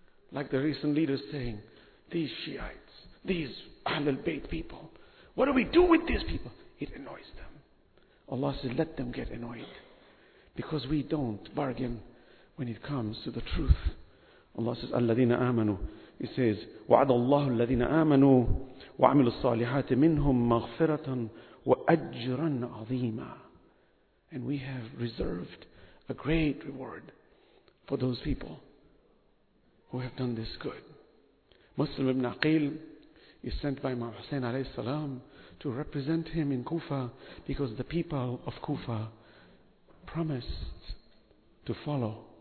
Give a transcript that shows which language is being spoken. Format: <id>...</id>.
<en>Like the recent leaders saying, these Shiites, these Ahlul Bayt people, what do we do with these people? It annoys them. Allah says, let them get annoyed. Because we don't bargain when it comes to the truth. Allah says,</en> <ar>الَّذِينَ آمَنُوا.</ar> <en>He says,</en> <ar>وَعَدَ اللَّهُ الَّذِينَ آمَنُوا وَعَمِلُوا الصَّالِحَاتِ مِنْهُمْ مَغْفِرَةً وَأَجْرًا عَظِيمًا.</ar> <en>And we have reserved a great reward for those people who have done this good. Muslim ibn Aqil is sent by Imam Hussein alayhi salam to represent him in Kufa, because the people of Kufa promised to follow.</en>